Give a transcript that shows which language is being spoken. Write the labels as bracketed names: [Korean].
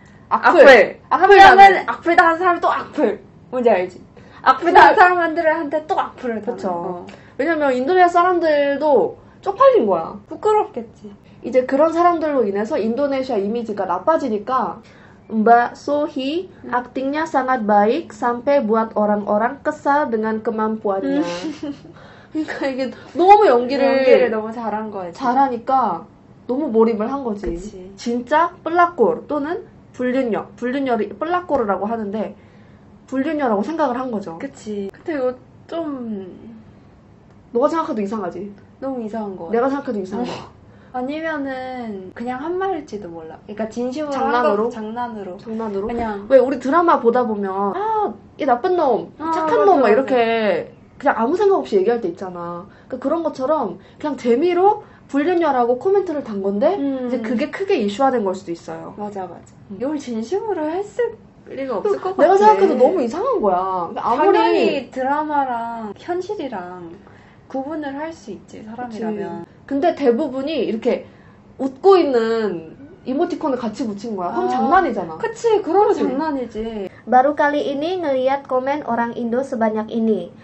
[Korean] 악플. 악플. 한 명은 악플다 한 사람 또 악플. 뭔지 알지? 악플다 한 사람들한테 또 악플을. 그렇죠. 왜냐면 인도네시아 사람들도 쪽팔린 거야. 부끄럽겠지. 이제 그런 사람들로 인해서 인도네시아 이미지가 나빠지니까. [Indonesian] 맞 소희 acting-nya sangat baik sampai buat orang-orang kesal dengan kemampuannya. [Korean] 그러니까 이게 너무 연기를 너무 잘한 거지. 잘하니까 너무 몰입을 한 거지. 그치. 진짜 블락골 또는 불륜녀. 불륜녀를 블락골이라고 하는데 불륜녀라고 생각을 한 거죠. 그렇지. 근데 이거 좀 너가 생각해도 이상하지. 너무 이상한 거. 내가 생각해도 이상한 거. 아니면은 그냥 한 말일지도 몰라. 그러니까 진심으로 장난으로? 한 거, 장난으로. 장난으로? 그냥 왜 우리 드라마 보다 보면 아, 이 나쁜 놈, 착한 놈 막 이렇게 그냥 아무 생각 없이 얘기할 때 있잖아. 그러니까 그런 것처럼 그냥 재미로 불륜녀라고 코멘트를 단 건데 이제 그게 크게 이슈화된 걸 수도 있어요. 맞아. 이걸 진심으로 했을 리가 없을 것 같아. 내가 생각해도 너무 이상한 거야. 그러니까 아무리 당연히 드라마랑 현실이랑 구분을 할 수 있지, 사람이라면. 그치. 근데 대부분이 이렇게 웃고 있는 이모티콘을 같이 붙인 거야. 그럼 장난이잖아. 그치, 그러면 장난이지. [Indonesian] Baru kali ini ngeliat komen orang Indo sebanyak ini.